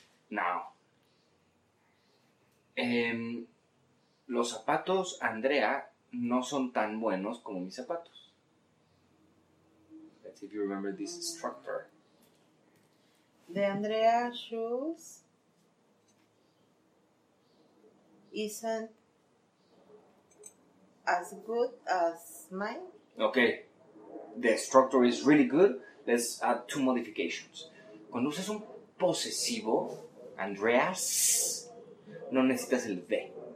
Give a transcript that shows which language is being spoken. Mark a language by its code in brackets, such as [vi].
[es] Now, los zapatos Andrea no son tan buenos como mis zapatos. [en] Let's see if you remember this structure. The Andrea shoes isn't as good as mine. Okay, the structure is really good. Let's add two modifications. [es] Cuando usas un posesivo, Andreas, no necesitas el V.